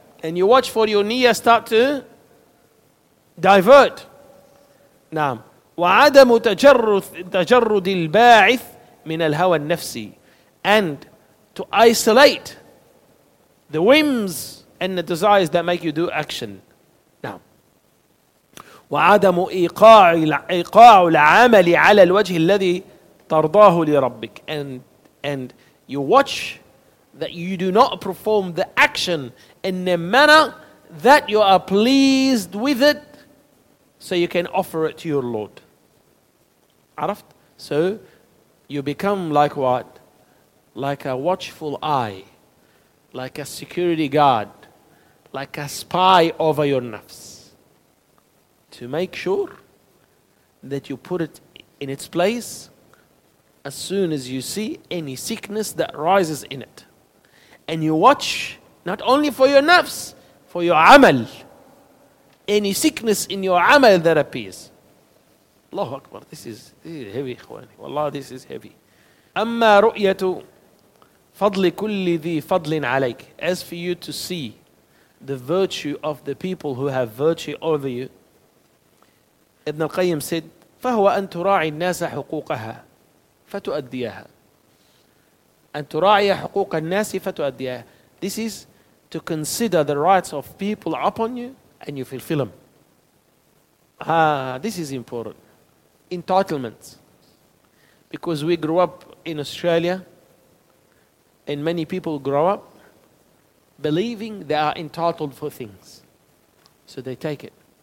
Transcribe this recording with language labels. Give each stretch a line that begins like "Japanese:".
English: And you watch for your niyyah start to divert.
Arabic: نعم. وَعَدَمُ تَجَرُّدِ الْبَاعِثِ مِنَ الْهَوَى النَّفْسِ.
English: And to isolate the whims and the desires that make you do action. Now,
Arabic: وعدم إيقاع العمل على الوجه الذي ترضاه لربك.
English: And you watch that you do not perform the action in a manner that you are pleased with it, so you can offer it to your Lord.
Arabic: عرفت?
English: So you become like what? Like a watchful eye, like a security guard, like a spy over your nafs, to make sure that you put it in its place as soon as you see any sickness that rises in it. And you watch not only for your nafs, for your amal. Any sickness in your amal that appears. Allahu Akbar, this is heavy, khwani. Wallah, this is heavy.
Arabic: Amma ru'yatu فضل كل ذي فضل عليك.
English: As for you to see the virtue of the people who have virtue over you, Ibn al-Qayyim said,
Arabic: فهو أن تراعي الناس حقوقها فتؤديها. أن تراعي حقوق الناس فتؤديها.
English: This is to consider the rights of people upon you and you fulfill them. This is important. Entitlements. Because we grew up in Australia, and many people grow up believing they are entitled for things. So they take it.